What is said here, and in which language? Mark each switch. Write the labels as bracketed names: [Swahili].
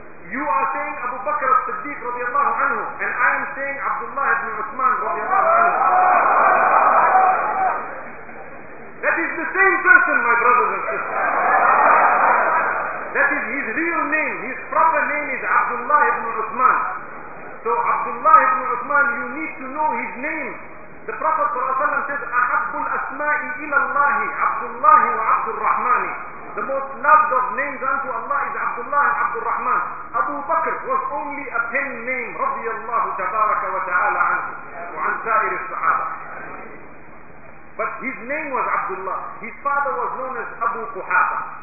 [English] You are saying Abu Bakr as-Siddiq radiallahu anhu, and I am saying Abdullah ibn Uthman radiallahu anhu. That is the same person, my brothers and sisters. That is his real name. His proper name is Abdullah ibn Uthman. So Abdullah ibn Uthman, you need to know his name. The Prophet says, [Arabic] أَحَبُّ الْأَسْمَاءِ إِلَى اللَّهِ عَبْدُ اللَّهِ وَعَبْدُ الرَّحْمَانِ. [English] The most loved of names unto Allah is Abdullah and Abdul Rahman. Abu Bakr was only a pen name, radiallahu tabaraka wa ta'ala anhu, wa an sa'ir al-sahaba. But his name was Abdullah. His father was known as Abu Quhafa.